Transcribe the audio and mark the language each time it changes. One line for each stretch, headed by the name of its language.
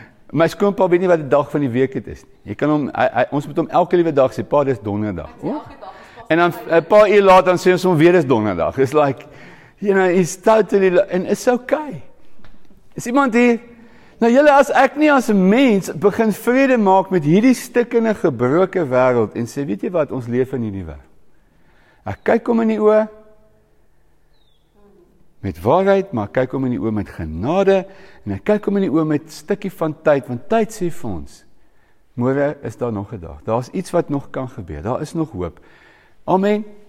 Afrikaans: My skoonpa weet nie wat die dag van die week het is. Jy kan hom, ons moet hom elke liewe dag sê, pa, dis donderdag. En dan, een paar uur laat, dan sê ons hom weer is donderdag.
English: It's like, you know, he's totally, and it's okay.
Afrikaans: Is iemand hier? Nou jylle, as ek nie as mens begin vrede maak met hierdie stikkende gebroke wereld, en sê, weet jy wat, ons leef in hierdie wereld. Ek kyk om in die oor, met waarheid, maar ek kyk hom in die oë met genade, en ek kyk hom in die oë met stukkie van tyd, want tyd sê vir ons, môre is daar nog 'n dag, daar is iets wat nog kan gebeur, daar is nog hoop. Amen.